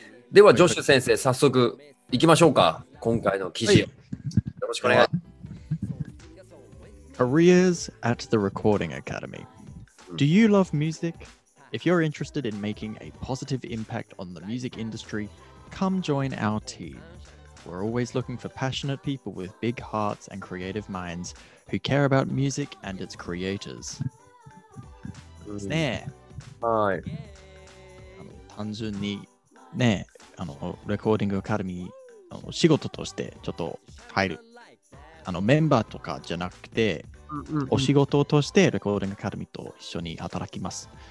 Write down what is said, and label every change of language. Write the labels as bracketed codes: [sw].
[ja] ではジョッシュ先生、早速いきましょうか、今回の記事、はい、よろしくお願いします。 [en] Careers at the Recording Academy. Do you love music? If you're interested in making a positive impact on the music industry, come join our team. We're always looking for passionate people with big hearts and creative mindsWho care about music and its creators. [ja] ですね。はい。単純にね、レコーディングアカデミー、仕事としてちょっと入る、メンバーとかじゃなくて、お仕事としてレコーディングアカデミーと一緒に働きます。